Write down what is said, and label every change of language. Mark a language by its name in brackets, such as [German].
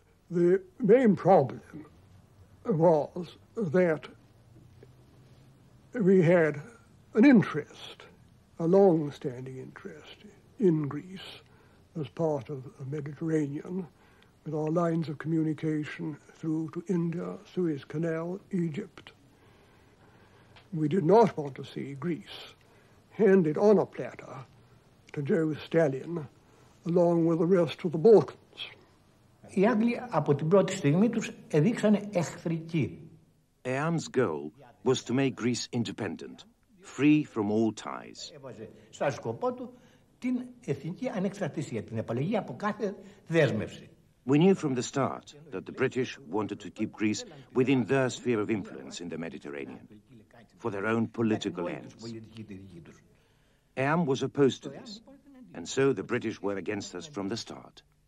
[English] The main problem was that we had an interest, a long-standing interest, in Greece as part of the Mediterranean, with our lines of communication through to India, Suez Canal, Egypt. We did not want to see Greece handed on a platter to Joe Stalin along with the rest of the Balkans. [Greek] Οι Άγγλοι από την πρώτη στιγμή τους έδειξαν εχθρική. [English] EAM's goal was to make Greece independent, free from all ties. [Greek] Έβαζε στα σκοπό του την εθνική ανεξαρτησία, την επαλλαγή από κάθε δέσμευση. [English] We knew from the start that the British wanted to keep Greece within their sphere of influence in the Mediterranean for their own political ends. EAM was opposed to this, and so the British were against us from the start.